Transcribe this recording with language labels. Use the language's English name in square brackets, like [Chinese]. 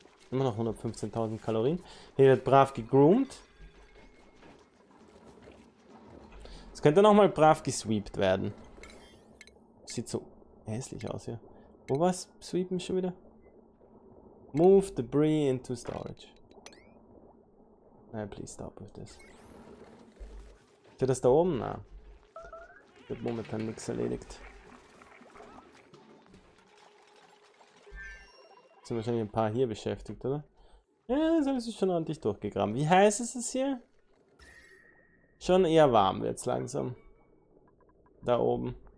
[German] Immer noch 115.000 Kalorien. Hier wird brav gegroomt. Es könnte noch mal brav gesweept werden. Sieht so hässlich aus hier. Wo war's? Sweepen schon wieder? [English] Move debris into storage. Nein, please stop with this. [German] Ist das da oben? Nein. Wird momentan nichts erledigt. Sind wahrscheinlich ein paar hier beschäftigt, oder? Ja, das habe ich schon ordentlich durchgegraben. Wie heiß ist es hier? Schon eher warm wird es langsam. Da oben.